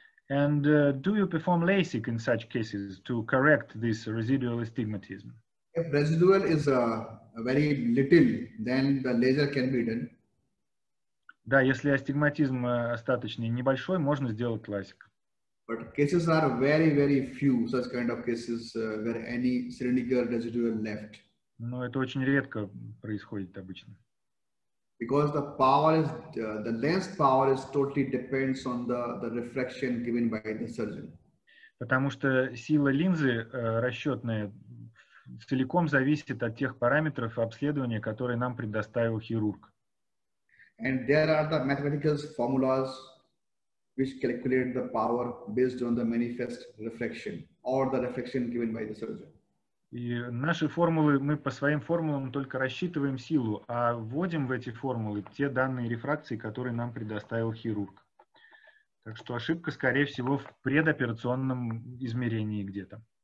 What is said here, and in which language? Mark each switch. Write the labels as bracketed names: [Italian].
[English] And do you perform LASIK in such cases to correct this residual astigmatism? If residual is very little, then the laser can be done. [Russian] Да, если астигматизм остаточный небольшой, можно сделать LASIK. [English] But cases are very, very few, such kind of cases, where any cylindrical residual left. [Russian] Но это очень редко происходит обычно. [English] Because the power is the lens power is totally depends on the refraction given by the surgeon. [Russian] Потому что сила линзы расчетная целиком зависит от тех параметров обследования, которые нам предоставил хирург. [English] And there are the mathematical formulas which calculate the power based on the manifest refraction or the refraction given by the surgeon. [Russian] И наши формулы, мы по своим формулам только рассчитываем силу, а вводим в эти формулы те данные рефракции, которые нам предоставил хирург. Так что ошибка, скорее всего, в предоперационном измерении где-то.